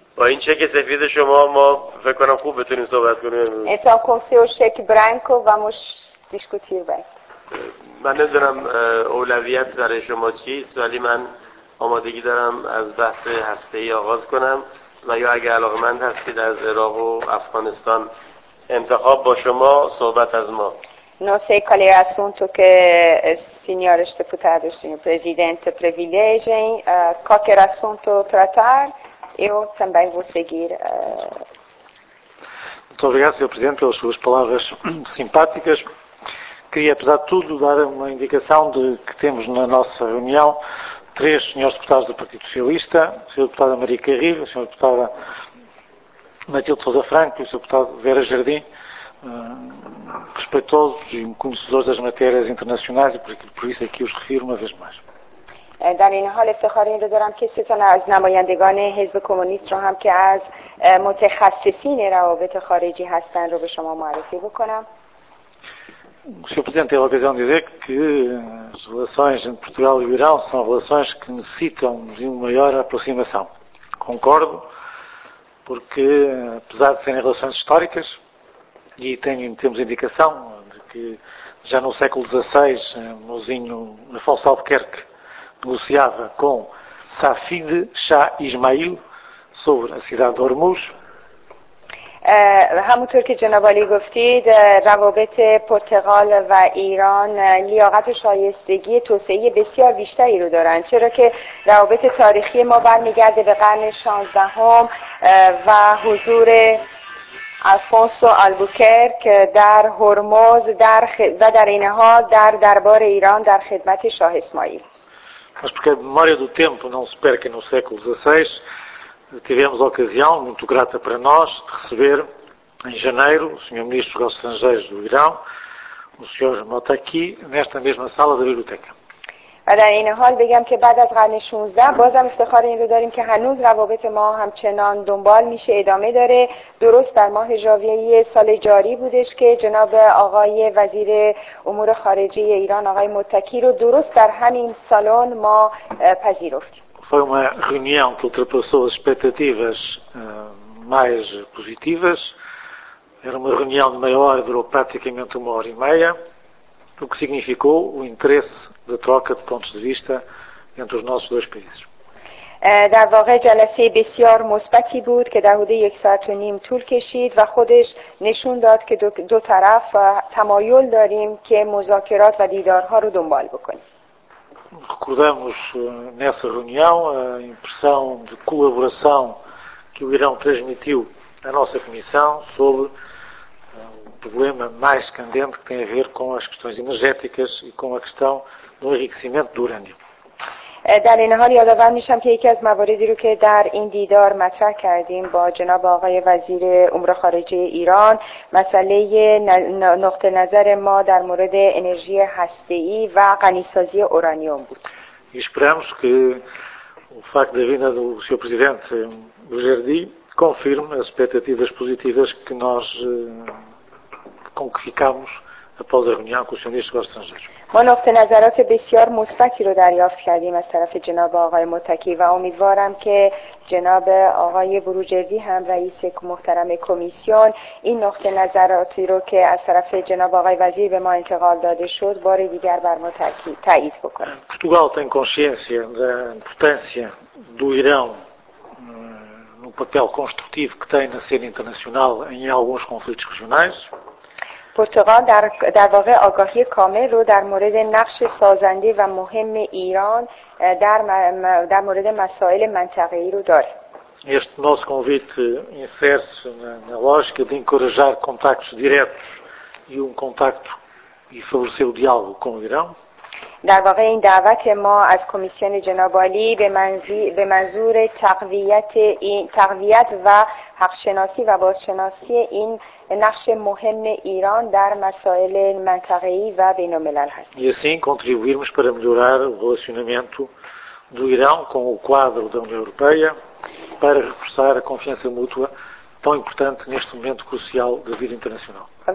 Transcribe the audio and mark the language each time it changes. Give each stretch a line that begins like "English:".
Persian: با این چک سفید شما ما فکر کنم خوب بتونیم صحبت کنیم امروز.
Portuguese: Então com seu cheque branco vamos discutir bem.
Persian: من نمیدونم اولویت برای شما چیست، ولی من آمادگی دارم از بحث هسته‌ای آغاز کنم و یا اگر علاقمند هستید از عراق و افغانستان انتخاب با شما صحبت از ما.
Portuguese: Não sei qual é o assunto que senhores deputados, senhor presidente, privilegiem. Qualquer assunto tratar, eu também vou seguir. Muito obrigado, Sr. Presidente, pelas suas palavras simpáticas. Queria, apesar de tudo, dar uma indicação de que temos na nossa reunião três senhores deputados do Partido Socialista, o Sr. Deputado Maria Carrilho, o Sr. Deputado Matilde Sousa Franco e o Sr. Deputado Vera Jardim, respeitosos e conhecedores das matérias internacionais, e por isso é que os refiro uma vez mais.
Persian: در این حال افتخاریم رو دارم که سه تن از نمایندگان حزب کمونیست رو هم که از متخصصین روابط خارجی هستند رو به شما معرفی بکنم.
Portuguese: Senhor Presidente, tenho a ocasião de dizer que as relações entre Portugal e o Irão são relações que necessitam de uma maior aproximação. Concordo, porque apesar de serem relações históricas, e temos indicação de que já no século XVI, o mozinho Afonso Albuquerque negociava com Safid Shah Ismail sobre a cidade de Hormuz.
Persian: همونطور که جناب علی گفتید روابط پرتغال و ایران لیاقت و شایستگی توسعه بسیار بیشتری رو دارن، چرا که روابط تاریخی ما برمیگرده به قرن 16 و حضور آلفونسو آلبوکرک در هرمز و در این حال در دربار ایران در خدمت شاه اسماعیل.
Portuguese: Mas porque a memória do tempo não se perca no século XVI, tivemos a ocasião, muito grata para nós, de receber em janeiro o Sr. Ministro dos Negócios Estrangeiros do Irão, o Sr. Motaki, nesta mesma sala da biblioteca.
Persian: و در این حال بگم که بعد از قرن 16 بازم افتخار این رو داریم که هنوز روابط ما همچنان دنبال میشه، ادامه داره. درست در ماه ژانویه سال جاری بودش که جناب آقای وزیر امور خارجه ایران آقای متکی رو درست در همین سالن ما پذیرفتیم.
Portuguese: Foi uma reunião que ultrapassou as expectativas mais positivas. Era uma reunião de meia hora, durou praticamente uma hora e meia, o que significou o interesse da troca de pontos de vista entre os nossos dois países.
Persian: در واقع جلسه بسیار مثبتی بود که در حدود 1.5 ساعت طول کشید و خودش نشون داد که دو طرف تمایل داریم که مذاکرات و دیدارها رو دنبال بکنیم.
Portuguese: Recordamos nessa reunião a impressão de colaboração que o Irão transmitiu à nossa comissão sobre o problema mais candente que tem a ver com as questões energéticas e com a questão do enriquecimento do urânio.
Persian: در این حال یادآور میشم که یکی از مواردی رو که در این دیدار مطرح کردیم با جناب آقای وزیر امور خارجه ایران، مسئله نقطه نظر ما در مورد انرژی هسته‌ای و غنی‌سازی اورانیوم بود.
Portuguese: Esperamos que o facto da vinda do Sr. Presidente do Jardim confirme as expectativas positivas que nós concretizamos após a reunião com o Sr. Ministro dos Estrangeiros.
Persian: ما نقطه نظرات بسیار مثبتی رو دریافت کردیم از طرف جناب آقای متکی و امیدوارم که جناب آقای بروجردی هم رئیس محترم کمیسیون این نقطه نظراتی رو که از طرف جناب آقای وزیر به ما انتقال داده شد بار دیگر بر ما تایید بکنه.
Portuguese: پرتغال tem consciência da importância do Irão no papel construtivo que tem na cena internacional em alguns conflitos regionais.
Persian: پرتغال در واقع آگاهی کامل رو در مورد نقش سازنده و مهم ایران در مورد مسائل منطقه‌ای رو داره.
Portuguese: Este nosso convite insere-se na lógica de encorajar contactos diretos e um contacto e favorecer o diálogo com o Irã.
Persian: در واقع این دعوت ما از کمیسیون جناب عالی به منظور تقویت و حقشناسی و بازشناسی این نقش مهم ایران در مسائل منطقه‌ای و بین‌الملل هست.
Portuguese: E assim contribuirmos para melhorar o relacionamento do Irã com o quadro da União Europeia para reforçar a confiança mútua tão importante neste momento crucial da vida internacional.